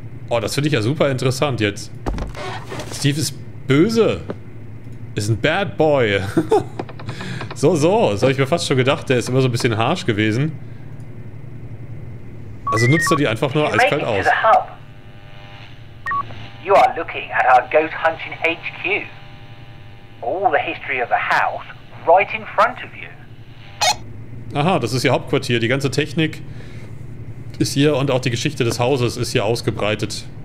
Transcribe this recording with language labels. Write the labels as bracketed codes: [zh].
[de] Oh, das finde ich ja super interessant jetzt. Steve ist böse. Ist ein Bad Boy. So, das habe ich mir fast schon gedacht. Der ist immer so ein bisschen harsch gewesen. Also nutzt er die einfach nur eiskalt aus. [en] You are looking at our ghost hunting HQ. All the history of the house right in front of you. [de] Aha, das ist ihr Hauptquartier. Die ganze Technik ist hier und auch die Geschichte des Hauses ist hier ausgebreitet.